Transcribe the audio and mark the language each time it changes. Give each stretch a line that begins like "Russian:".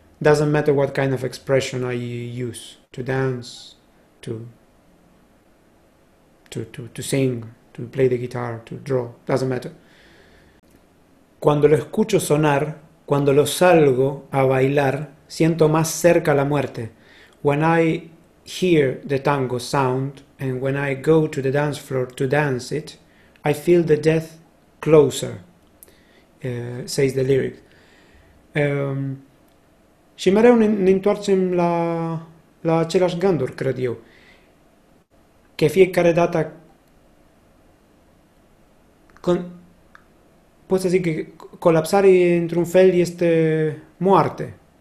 English: Doesn't matter what kind of expression I use, to dance, to sing, to play the guitar, to draw, doesn't matter.
Spanish: Cuando lo escucho sonar, cuando lo salgo a bailar, siento más cerca la muerte.
English: When I hear the tango sound and when I go to the dance floor to dance it, I feel the death closer, says the lyric.
Romanian: Și mereu ne întoarcem la aceleași gânduri, cred eu. Că fiecare dată când pot să zic că colapsarea într-un fel este moarte.